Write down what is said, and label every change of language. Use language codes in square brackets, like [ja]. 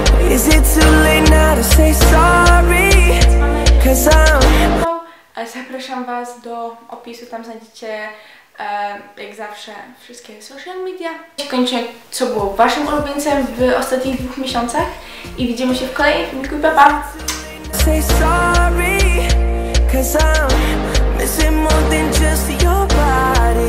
[en] Is it too late now to say sorry? Cause I'm... [pl] Zapraszam was do opisu, tam znajdziecie jak zawsze wszystkie social media. Kończę, co było waszym ulubieńcem w ostatnich 2 miesiącach i widzimy się w kolejnym filmiku. Pa, pa! [en] Say sorry, cause I'm missing more than just your body.